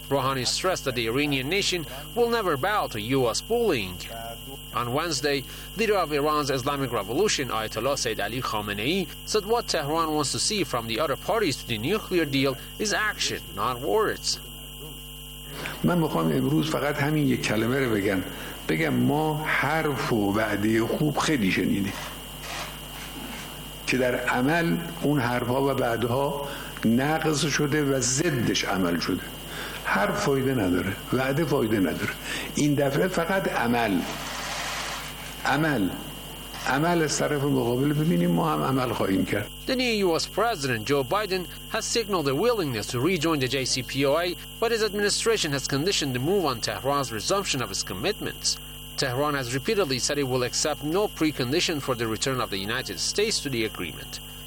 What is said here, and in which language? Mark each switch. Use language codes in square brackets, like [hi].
[en] Rouhani stressed that the Iranian nation will never bow to U.S. bullying. On Wednesday, leader of Iran's Islamic Revolution, Ayatollah Sayyid Ali Khamenei, said what Tehran wants to see from the other parties to the nuclear deal is action, not words. [fa] من میخوام امروز فقط همین یک کلمه رو بگم بگم ما حرف و وعده خوب خیلی شنیدیم که در عمل اون حرفها و وعده‌ها نقض شده و ضدش عمل شده حرف فایده نداره وعده فایده نداره این دفعه فقط عمل [en] The new U.S. President Joe Biden has signaled a willingness to rejoin the JCPOA, but his administration has conditioned the move on Tehran's resumption of its commitments. Tehran has repeatedly said it will accept no precondition for the return of the United States to the agreement.